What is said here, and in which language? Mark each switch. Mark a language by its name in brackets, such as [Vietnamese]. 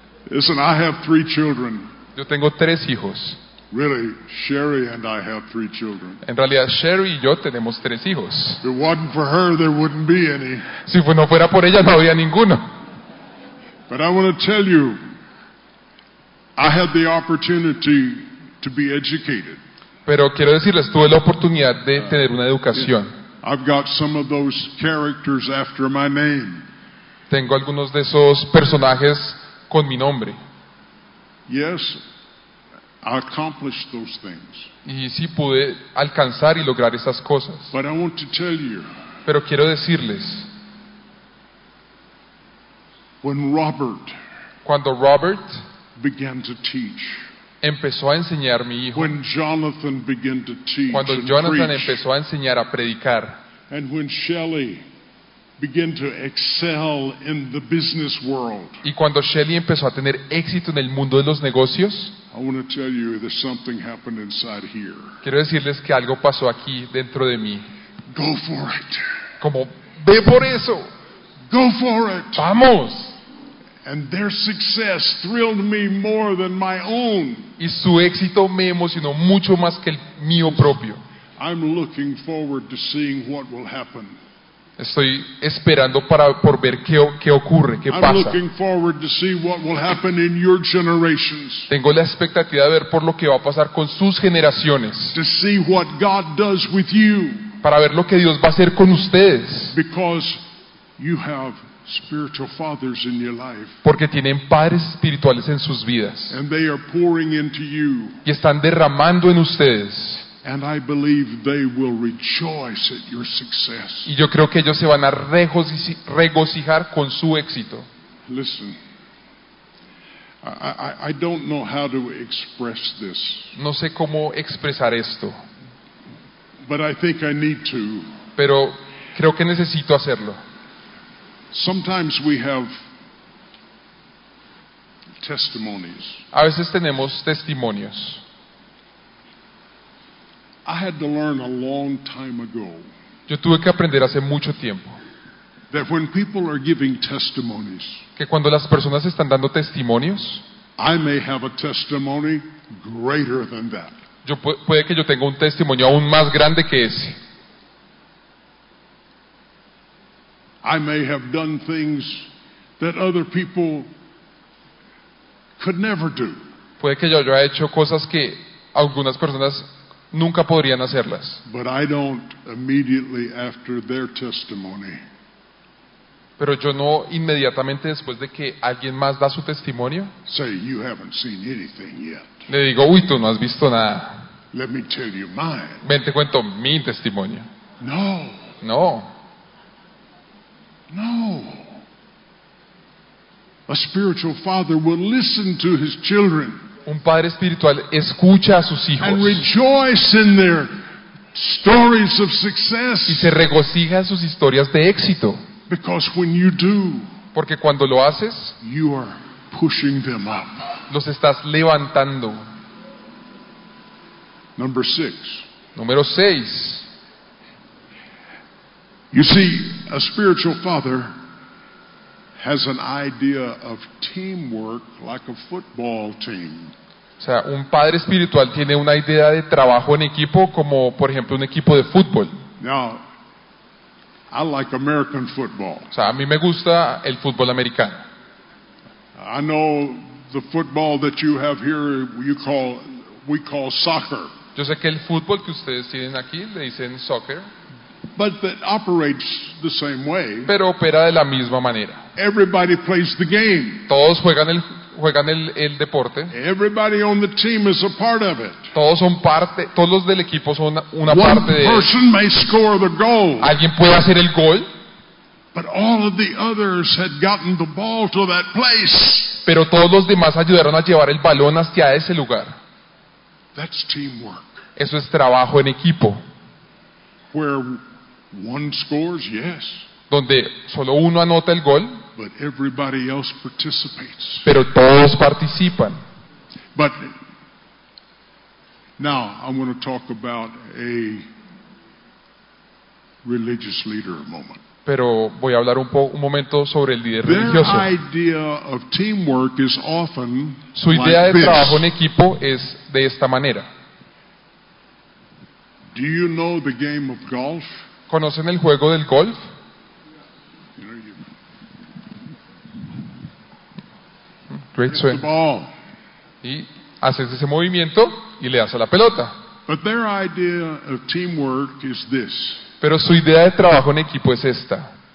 [English] Listen, I have three children. [Spanish] Yo tengo tres hijos. [English] Really, Sherry and I have three children. [Spanish] En realidad, Sherry y yo tenemos tres hijos. [English] If it wasn't for her, there wouldn't be any. [Spanish] Si no fuera por ella, no habría ninguno. [English] But I want to tell you, I had the opportunity to be educated. [Spanish] Pero quiero decirles, tuve la oportunidad de tener una educación. [English] I've got some of those characters after my name. [Spanish] Tengo algunos de esos personajes con mi nombre. [English] Yes, I accomplished those things. [Spanish] Y sí pude alcanzar y lograr esas cosas. [English] But I want to tell you. [Spanish] Pero quiero decirles. [English] When Robert. [Spanish] Cuando Robert. [English] Began to teach. [Spanish] Empezó a enseñar mi hijo. [English] When Jonathan began to teach. [Spanish] Cuando Jonathan empezó a enseñar a predicar. [English] And when Shelley began to excel in the business world. [Spanish] Y cuando Shelley empezó a tener éxito en el mundo de los negocios. [English] I want to tell you that something happened inside here. [Spanish] Quiero decirles que algo pasó aquí dentro de mí. [English] Go for it. [Spanish] Como ve por eso. [English] Go for it. [Spanish] Vamos. [English] And their success thrilled me more than my own. [Spanish] Y su éxito me emocionó mucho más que el mío propio. [English] I'm looking forward to seeing what will happen. [Spanish] Estoy esperando por ver qué ocurre, qué pasa. [English] I'm looking forward to see what will happen in your generations. [Spanish] Tengo la expectativa de ver por lo que va a pasar con sus generaciones. [English] To see what God does with you. [Spanish] Para ver lo que Dios va a hacer con ustedes. [English] Because you have spiritual fathers in your life. [Spanish] Porque tienen padres espirituales en sus vidas. [English] And they are pouring into you. [Spanish] Y están derramando en ustedes. [English] And I believe they will rejoice at your success. [Spanish] Y yo creo que ellos se van a regocijar con su éxito. [English] Listen. I don't know how to express this. [Spanish] No sé cómo expresar esto. [English] But I think I need to. [Spanish] Pero creo que necesito hacerlo. [English] Sometimes we have testimonies. [Spanish] A veces tenemos testimonios. [English] I had to learn a long time ago. [Spanish] Yo tuve que aprender hace mucho tiempo. [English] That when people are giving testimonies. [Spanish] Que cuando las personas están dando testimonios. [English] I may have a testimony greater than that. [Spanish] Yo puede que yo tenga un testimonio aún más grande que ese. [English] I may have done things that other people could never do. [Spanish] Puede que yo haya hecho cosas que algunas personas nunca podrían hacerlas. [English] But I don't immediately after their testimony. [Spanish] Pero yo no inmediatamente después de que alguien más da su testimonio. [English] Say you haven't seen anything yet. [Spanish] Le digo, uy, tú no has visto nada. [English] Let me tell you mine. [Spanish] Ven, te cuento mi testimonio. [English] No. [Spanish] No. [English] No. A spiritual father will listen to his children. [Spanish] Un padre espiritual escucha a sus hijos. [English] And rejoice in their stories of success. [Spanish] Y se regocija en sus historias de éxito. [English] Because when you do, [Spanish] porque cuando lo haces, [English] you are pushing them up. [Spanish] Los estás levantando. [English] Number six. [Spanish] Número 6. [English] You see, a spiritual father has an idea of teamwork like a football team. [Spanish] O sea, un padre espiritual tiene una idea de trabajo en equipo como, por ejemplo, un equipo de fútbol. [English] Now, I like American football. [Spanish] O sea, a mí me gusta el fútbol americano. [English] I know the football that you have here, we call soccer. [Spanish] Yo sé que el fútbol que ustedes tienen aquí le dicen soccer. [English] But that operates the same way. [Spanish] Pero opera de la misma manera. [English] Everybody plays the game. [Spanish] Todos juegan el deporte. [English] Everybody on the team is a part of it. [Spanish] Todos son parte, todos los del equipo son una [English] One [Spanish] parte de. [English] One person [Spanish] él. [English] May score the goal. [Spanish] Alguien puede hacer el gol. [English] But all of the others had gotten the ball to that place. [Spanish] Pero todos los demás ayudaron a llevar el balón hacia ese lugar. [English] That's teamwork. [Spanish] Eso es trabajo en equipo. [English] Where one scores, yes. [Spanish] Donde solo uno anota el gol. [English] But everybody else participates. [Spanish] Pero todos participan. [English] But now I'm going to talk about a religious leader moment. [Spanish] Pero voy a hablar un momento sobre el líder religioso. [English] Their idea of teamwork is often [Spanish] su idea [English] like [Spanish] de trabajo en equipo es de esta manera. [English] Do you know the game of golf? [Spanish] ¿Conocen el juego del golf? [English] Great swing. [Spanish] Y haces ese movimiento y le das a la pelota. [English] But their idea of teamwork is this. [Spanish] Pero su idea de trabajo en equipo es esta.